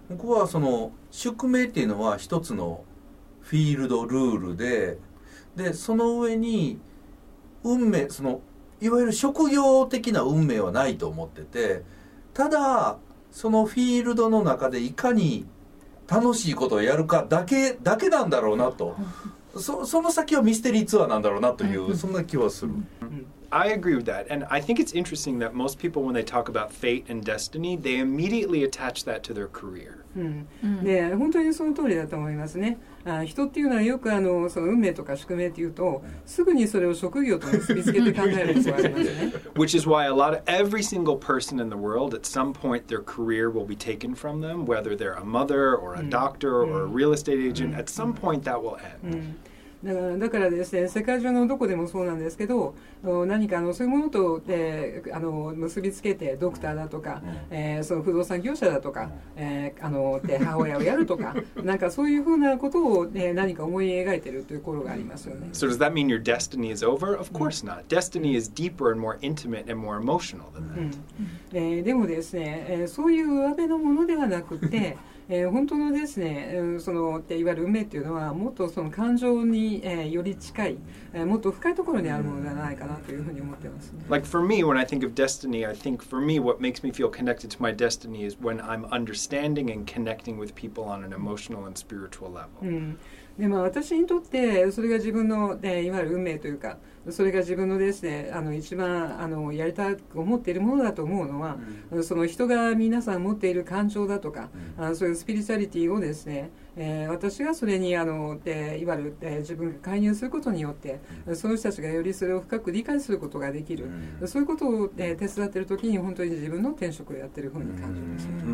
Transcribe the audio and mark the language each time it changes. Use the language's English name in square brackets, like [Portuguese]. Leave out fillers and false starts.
[Japanese] 僕はその宿命っていうのは一つのフィールドルールで、でその上に運命、そのいわゆる職業的な運命はないと思ってて、ただそのフィールドの中でいかに楽しいことをやるかだけなんだろうなと、その先はミステリーツアーなんだろうなというそんな気はする。 [English] I agree with that, and I think it's interesting that most people, when they talk about fate and destiny, they immediately attach that to their career. [Japanese] で、本当にその通りだと思いますね。人っていうのはよくその運命とか宿命っていうと、すぐにそれを職業と結びつけて考えることがありますね。 [English] Which is why a lot of every single person in the world, at some point, their career will be taken from them, whether they're a mother or a doctor or a real estate agent. At some point, that will end. [Japanese] だからですね、世界中のどこでもそうなんですけど、何かそういうものと、結びつけてドクターだとか、その不動産業者だとか、で母親をやるとかなんかそういうふうなことを、何か思い描いてるというところがありますよね。 [English] So does that mean your destiny is over? Of course not. Destiny is deeper and more intimate and more emotional than that. [Japanese] でもですね、そういう上辺のものではなくて本当のですね、いわゆる運命っていうのはもっとその感情に、より近い、もっと深いところにあるものではないかなというふうに思ってます、ね。 [English] Like for me, when I think of destiny, I think for me, what makes me feel connected to my destiny is when I'm understanding and connecting with people on an emotional and spiritual level. [Japanese] でも私にとってそれが自分の、いわゆる運命というか、それが自分のですね、一番やりたく思っているものだと思うのは、その人が皆さん持っている感情だとか、そういうスピリチュアリティをですね、私がそれにいわゆる自分が介入することによって、その人たちがよりそれを深く理解することができる、そういうことを、手伝っているときに本当に自分の天職をやっているふうに感じます。